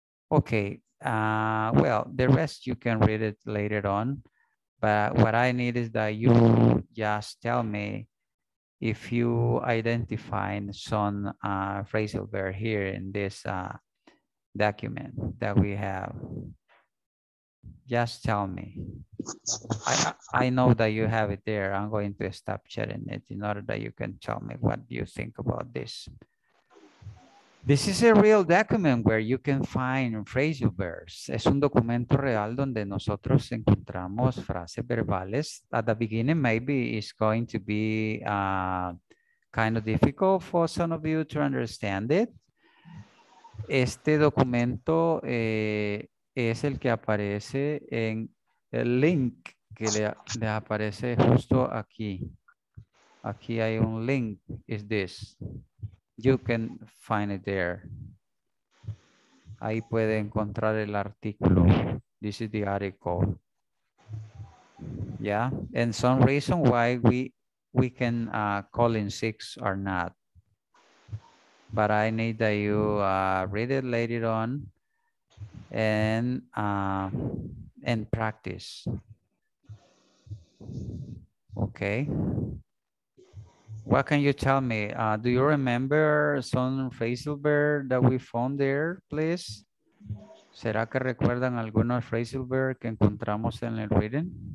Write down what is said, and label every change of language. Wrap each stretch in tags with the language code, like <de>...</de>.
<en>Okay, well, the rest you can read it later on, but what I need is that you just tell me if you identify some phrasal verb here in this document that we have. Just tell me. I know that you have it there. I'm going to stop sharing it in order that you can tell me what you think about this. This is a real document where you can find phrasal verbs.</en> <es>Es un documento real donde nosotros encontramos frases verbales.</es> <en>At the beginning, maybe it's going to be kind of difficult for some of you to understand it.</en> <es>Este documento es el que aparece en el link que le aparece justo aquí. Aquí hay un link,</es> <en>is this. You can find it there.</en> <es>Ahí puede encontrar el artículo.</es> <en>This is the article. Yeah, and some reason why we can call in six or not. But I need that you read it later on and practice. Okay. What can you tell me? Do you remember some phrasal verb that we found there, please?</en> <es>¿Será que recuerdan algunos phrasal verb que encontramos en el reading?</es>